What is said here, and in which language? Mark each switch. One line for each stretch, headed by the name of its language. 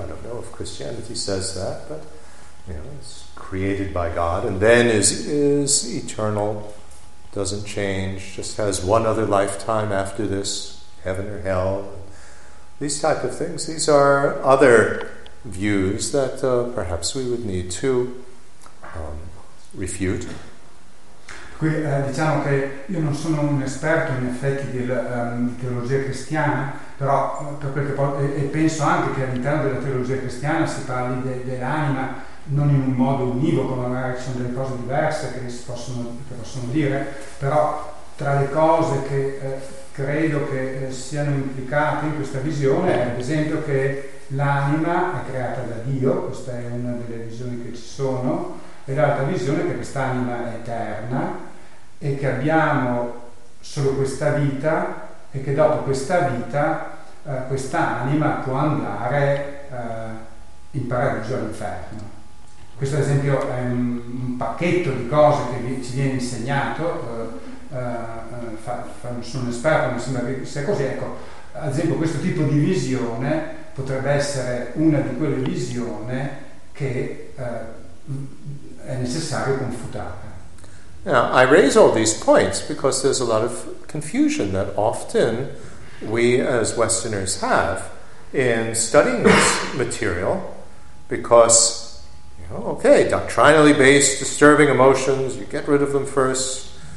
English: I don't know if Christianity says that, but it's created by God and then is eternal. Doesn't change, just has one other lifetime after this, heaven or hell. These type of things, these are other views that perhaps we would need to refute.
Italian: Qui diciamo che io non sono un esperto in effetti di teologia cristiana, però per quel che e penso anche che all'interno della teologia cristiana si parli dell'anima non in un modo univoco, magari ci sono delle cose diverse che possono dire, però tra le cose che credo che siano implicate in questa visione è ad esempio che l'anima è creata da Dio, questa è una delle visioni che ci sono, e l'altra visione è che quest'anima è eterna e che abbiamo solo questa vita e che dopo questa vita questa anima può andare in paradiso all'inferno. Questo ad esempio è un pacchetto di cose che ci viene insegnato, non sono un esperto, mi sembra che sia così. Ecco, ad esempio questo tipo di visione potrebbe essere una di quelle visioni che è necessario confutare.
English: Now, I raise all these points because there's a lot of confusion that often we as Westerners have in studying this material, because okay, doctrinally based disturbing emotions, you get rid of them first.